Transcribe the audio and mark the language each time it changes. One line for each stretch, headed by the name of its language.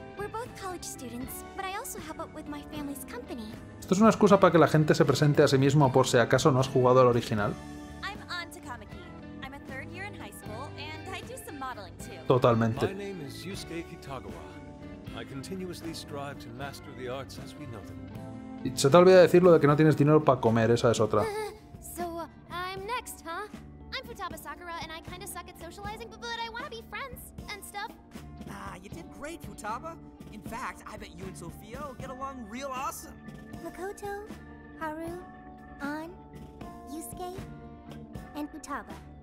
English: We're both college students, but I also help out with my family's company.
Spanish: Esto es una excusa para que la gente se presente a sí mismo por si acaso no has jugado al original.
English: I'm on to Kamaki. I'm a third year in high school and I do some modeling too.
Spanish: Totalmente.
English: My name is Yusuke Kitagawa. I continuously strive to master the arts as we know them.
Spanish: Y se te olvida decir lo de que no tienes dinero para comer, esa es otra.
English: So, I'm next, huh? I'm Futaba Sakura and I kinda suck at socializing, but I wanna be friends and stuff. Ah, you did great, Futaba. In fact, I bet you and Sophia will get along real awesome. Makoto, Haru, An, Yusuke, and Futaba.